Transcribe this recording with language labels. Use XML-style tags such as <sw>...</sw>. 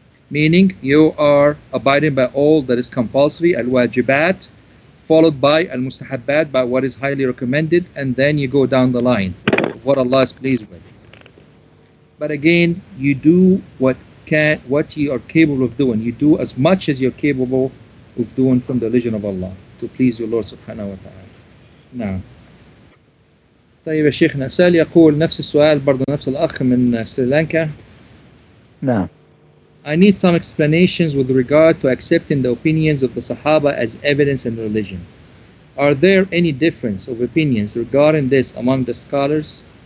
<en>Meaning, you are abiding by all that is compulsory, al-wajibat, followed by al-mustahabbat, by what is highly recommended, and then you go down the line of what Allah is pleased with. But again, you do what you are capable of doing. You do as much as you're capable of doing from the religion of Allah to please your Lord subhanahu wa ta'ala.</en> <ar>نعم. طيب يا شيخنا سأل يقول نفس السؤال برضو نفس الأخ من سريلانكا. نعم.</ar> <en>I need some explanations with regard to accepting the opinions of the Sahaba as evidence in religion. Are there any difference of opinions regarding this among the scholars?</en>